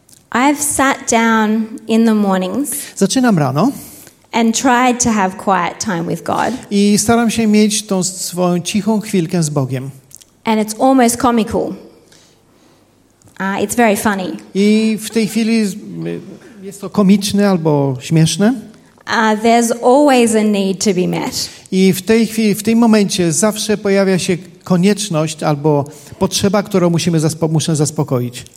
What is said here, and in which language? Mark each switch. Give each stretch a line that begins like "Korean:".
English: I've sat down in the mornings.
Polish: Zaczynam rano.
English: And tried to have quiet time with God.
Polish: I staram się mieć tą swoją cichą chwilkę z Bogiem.
English: And it's almost comical. It's very funny.
Polish: I w tej chwili jest to komiczne albo śmieszne.
English: There's always a need to be met.
Polish: I w tej chwili, w tym momencie zawsze pojawia się konieczność albo potrzeba, którą muszę zaspokoić.